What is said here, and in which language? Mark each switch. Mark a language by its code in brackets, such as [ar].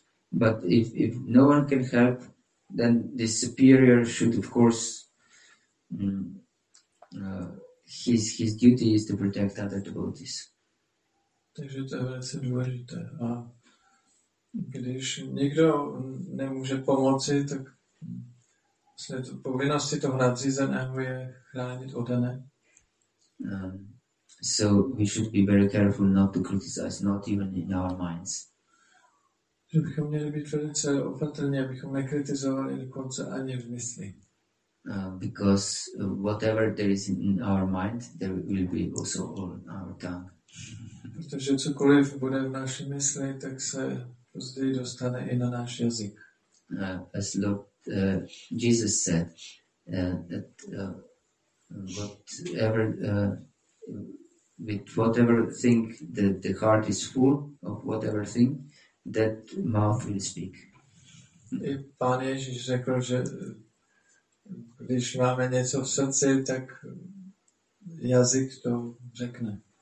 [en] But if no one can help, then the superior should, of course, his duty is to protect other devotees. [cs] Takže to je velice důležité. A když někdo nemůže pomoci, tak vlastně to povinnosti toho nadřízeného je chránit odané. [en] So we should be very careful not to criticize, not even in our minds. [cs] Že bychom měli být velice opatrní, abychom nekritizovali dokonce ani v mysli. [en] Because whatever there is in our mind, there will be also all in our tongue. [cs] Protože cokoliv bude v naší mysli, tak se později dostane i na náš jazyk. [en] As Jesus said, that whatever with whatever thing that the heart is full of whatever thing, that mouth will speak. [cs] I Pán Ježíš řekl, že když máme něco v srdci, tak jazyk to řekne.